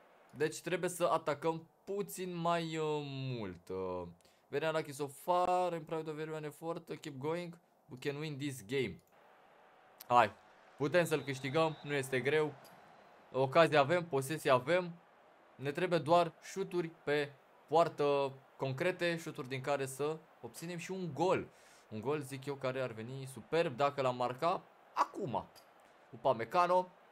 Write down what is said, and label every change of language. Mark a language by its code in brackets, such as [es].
[ro] Deci trebuie să atacăm puțin mai mult. [en] Very unlucky so far, I'm proud of everyone effort, keep going, we can win this game. [ro] Hai, putem să-l câștigăm, nu este greu. Ocazia avem, posesia avem. Ne trebuie doar șuturi pe poartă concrete, șuturi din care să obținem și un gol. Un gol, zic eu, care ar veni superb dacă l-am marca acum. Upamecano.